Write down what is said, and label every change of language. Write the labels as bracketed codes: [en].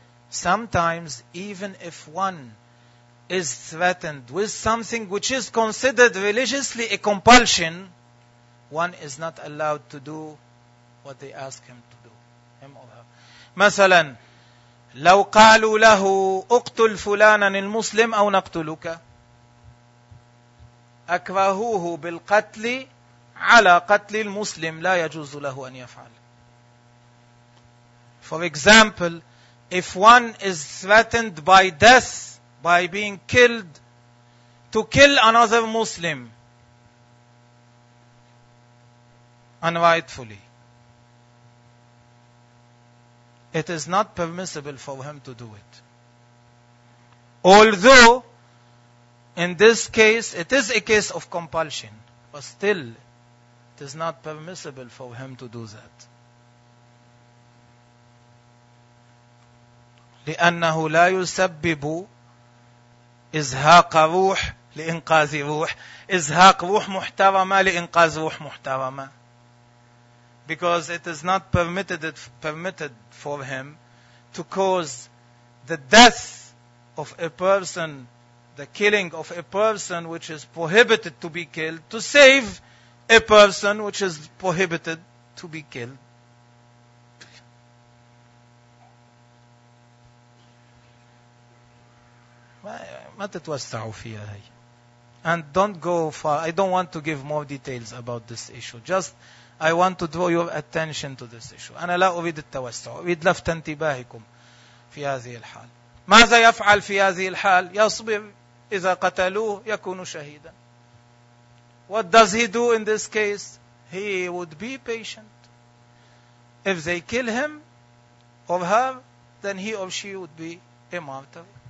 [en] Sometimes, even if one is threatened with something which is considered religiously a compulsion, one is not allowed to do what they ask him to do. Him or her. [ar] مثلا, لو قالوا له اقتل فلانا المسلم أو نقتلك أكرهوه بالقتل على قتل المسلم لا يجوز له أن يفعل. [en] For example, if one is threatened by death, by being killed, to kill another Muslim unrightfully, it is not permissible for him to do it. Although, in this case, it is a case of compulsion, but still, it is not permissible for him to do that. [ar] لأنه لا يسبب إزهاق روح لإنقاذ روح. إزهاق روح محترمة لإنقاذ روح محترمة. [en] Because it is not permitted for him to cause the death of a person, the killing of a person which is prohibited to be killed, to save a person which is prohibited to be killed. [ar] ما تتوسعوا فيها هي. [en] And don't go far. I don't want to give more details about this issue. Just, I want to draw your attention to this issue. [ar] أنا لا أريد التوسع. أريد لفت انتباهكم في هذه الحال. ماذا يفعل في هذه الحال؟ يصبر. إذا قتلوه يكون شهيدا. [en] What does he do in this case? he would be patient. If they kill him or her, then he or she would be a martyr.